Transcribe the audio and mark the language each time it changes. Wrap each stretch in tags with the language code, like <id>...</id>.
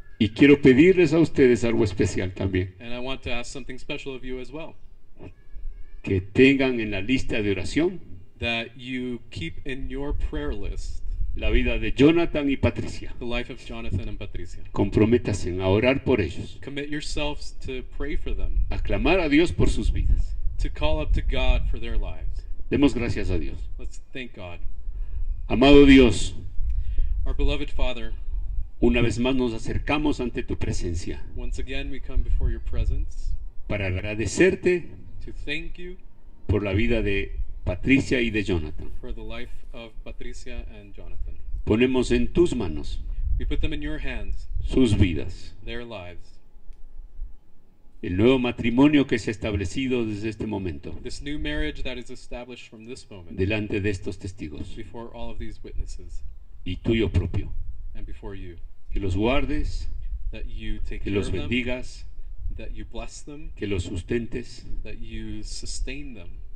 <es>Y quiero pedirles a ustedes algo especial también.</es> <en>And I want to ask something special of you as well.</en> <es>Que tengan en la lista de oración.</es> <en>That you keep in your prayer list.</en> <es>La vida de Jonathan y Patricia.</es> <en>The life of Jonathan and Patricia.</en> <es>Comprométanse a orar por ellos.</es> <en>Commit yourselves to pray for them.</en> <es>A clamar a Dios por sus vidas.</es> <en>To call up to God for their lives.</en> <es>Demos gracias a Dios.</es> <en>Let's thank God.</en> <es>Amado Dios,</es> <en>our beloved Father,</en> <es>una vez más nos acercamos ante tu presencia,</es> <en>once again we come before your presence,</en> <es>para agradecerte,</es> <en>to thank you,</en> <es>por la vida de Patricia y de Jonathan,</es> <en>for the life of Patricia and Jonathan.</en> <es>Ponemos en tus manos,</es> <en>we put them in your hands,</en> <es>sus vidas,</es> <en>their lives.</en> <es>El nuevo matrimonio que se ha establecido desde este momento.</es> <en>This new marriage that is established from this moment.</en> <es>Delante de estos testigos.</es> <en>Before all of these witnesses.</en> <es>Y tuyo propio.</es> <en>And before you.</en> <es>Que los guardes.</es> <en>That you take care of them.</en> <es>Que los bendigas.</es> <en>That you bless them.</en> <es>Que los sustentes.</es> <en>That you sustain them.</en>